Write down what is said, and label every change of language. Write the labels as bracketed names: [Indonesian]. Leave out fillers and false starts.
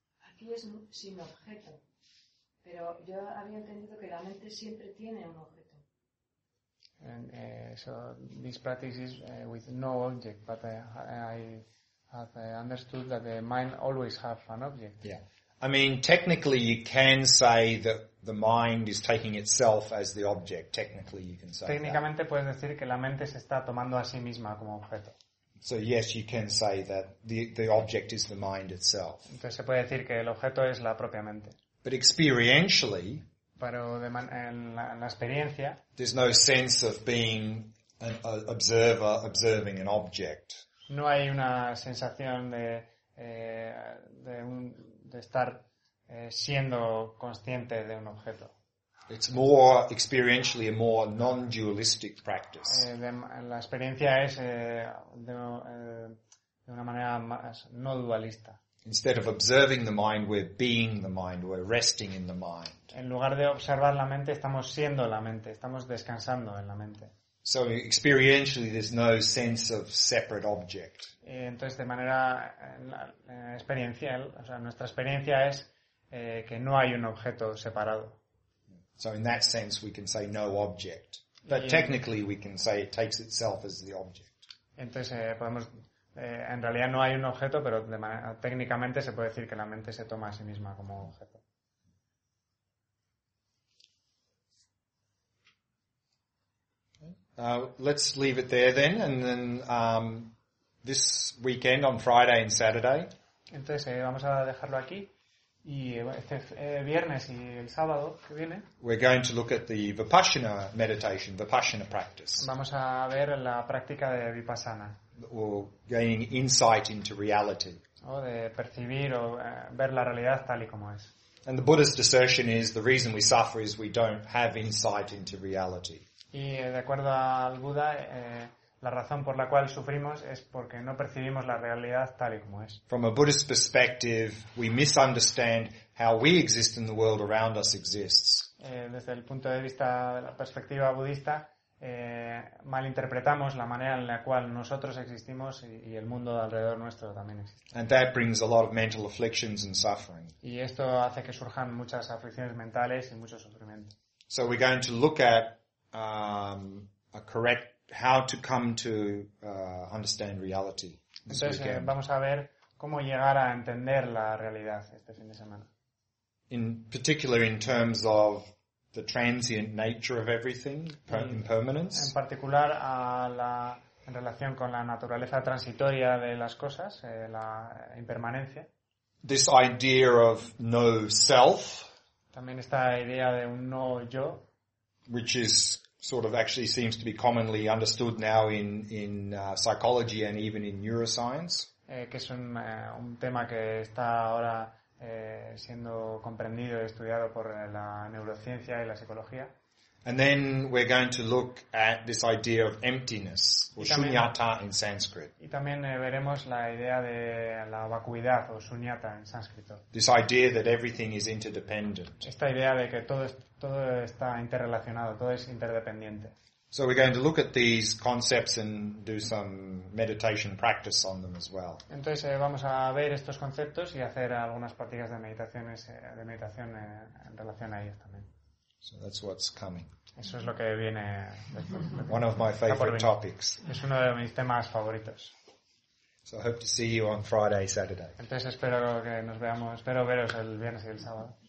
[Spanish] Aquí es sin objeto, pero yo había entendido que la mente siempre tiene un objeto. [English] And so this practice is with no object, but I have understood that the mind always have an object. Yeah. I mean, technically you can say that the mind is taking itself as the object. Technically you can say [Spanish] Técnicamente [English] that. [Spanish] Puedes decir que la mente se está tomando a sí misma como objeto. [English] So yes, you can say that the object is the mind itself. [Spanish] Entonces se puede decir que el objeto es la propia mente. [English] But experientially... [Spanish] Pero en la experiencia, [English] there's no sense of being an observer observing an object. [Spanish] No hay una sensación de estar siendo consciente de un objeto. [English] It's more experientially a more non-dualistic practice. [Spanish] La experiencia es de una manera más no dualista. [English] Instead of observing the mind, we're being the mind, we're resting in the mind. [Spanish] En lugar de observar la mente, estamos siendo la mente, estamos descansando en la mente. [English] So experientially, there's no sense of separate object. [Spanish] Entonces, de manera experiencial, o sea, nuestra experiencia es que no hay un objeto separado. [English] So in that sense, we can say no object. But technically, we can say it takes itself as the object. [Spanish] Entonces, podemos... en realidad no hay un objeto, pero técnicamente se puede decir que la mente se toma a sí misma como objeto. [English] Let's leave it there then, and then this weekend on Friday and Saturday. [Spanish] Entonces vamos a dejarlo aquí y este viernes y el sábado que viene. [English] We're going to look at the Vipassana meditation, Vipassana practice. [Spanish] Vamos a ver la práctica de Vipassana. [English] Or gaining insight into reality. [Spanish] O de percibir o ver la realidad tal y como es. [English] And the Buddhist assertion is the reason we suffer is we don't have insight into reality. [Spanish] Y de acuerdo al Buda, la razón por la cual sufrimos es porque no percibimos la realidad tal y como es. [English] From a Buddhist perspective, we misunderstand how we exist and the world around us exists. [Spanish] Desde el punto de vista de la perspectiva budista, malinterpretamos la manera en la cual nosotros existimos y el mundo alrededor nuestro también existe. [English] And that brings a lot of mental afflictions and suffering. [Spanish] Y esto hace que surjan muchas aflicciones mentales y mucho sufrimiento. [English] So we're going to look at a correct how to come to understand reality. [Spanish] Entonces vamos a ver cómo llegar a entender la realidad este fin de semana. [English] In particular, in terms of the transient nature of everything, impermanence. [Spanish] En particular, en relación con la naturaleza transitoria de las cosas, la impermanencia. [English] This idea of no self. [Spanish] También esta idea de un no yo. [English] Which is sort of actually seems to be commonly understood now in psychology and even in neuroscience. [Spanish] Que es un tema que está ahora siendo comprendido y estudiado por la neurociencia y la psicología. [English] And then we're going to look at this idea of emptiness, or shunyata in Sanskrit. [Spanish] Y también veremos la idea de la vacuidad o shunyata en sánscrito. [English] This idea that everything is interdependent. [Spanish] Esta idea de que todo está interrelacionado, todo es interdependiente. [English] So we're going to look at these concepts and do some meditation practice on them as well. [Spanish] Entonces vamos a ver estos conceptos y hacer algunas prácticas de meditación en relación a ellos también. [English] So that's what's coming. [Spanish] Eso es lo que viene. [English] One of my favorite topics. [Spanish] Es uno de mis temas favoritos. [English] So I hope to see you on Friday, Saturday. [Spanish] Entonces espero que nos veamos, espero veros el viernes y el sábado.